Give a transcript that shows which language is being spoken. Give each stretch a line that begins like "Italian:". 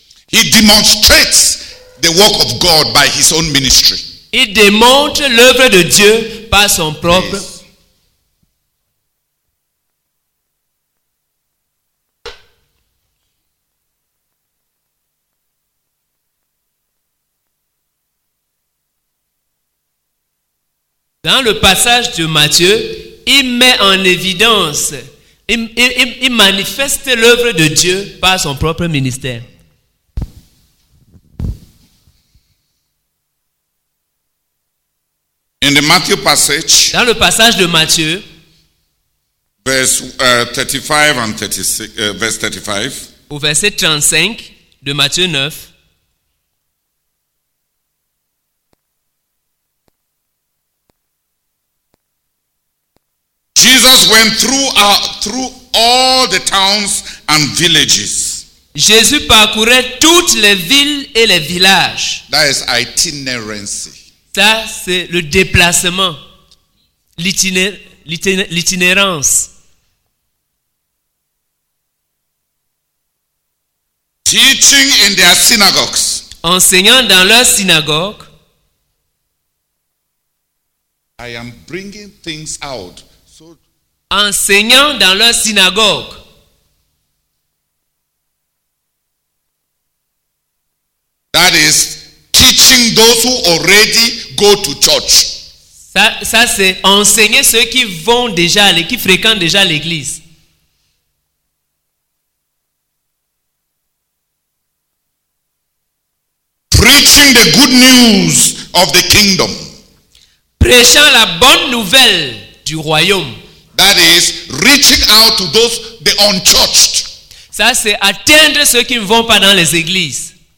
English: he demonstrates the work of God by his own ministry.
French: Il démontre l'œuvre de Dieu par son propre.
English: Yes.
French: Dans le passage de Matthieu, il met en évidence, il manifeste l'œuvre de Dieu par son propre ministère.
English: In the Matthew passage,
French: dans le passage de Matthieu, verset 35 de Matthieu 9,
English: Jesus went through all the towns and villages.
French: Jésus parcourait toutes les villes et les villages.
English: That is itinerancy.
French: Ça, c'est le déplacement, l'itinérance.
English: Teaching in their synagogues.
French: Enseignant dans leur synagogue.
English: I am bringing things out. So,
French: enseignant dans leur synagogue.
English: That is teaching those who already go to church.
French: Ça c'est enseigner ceux qui vont déjà aller, qui fréquentent déjà l'église.
English: Preaching the good news of the kingdom.
French: Prêchant la bonne nouvelle du royaume.
English: That is reaching out to those the unchurched.
French: Ça c'est atteindre ceux qui ne vont pas dans les églises.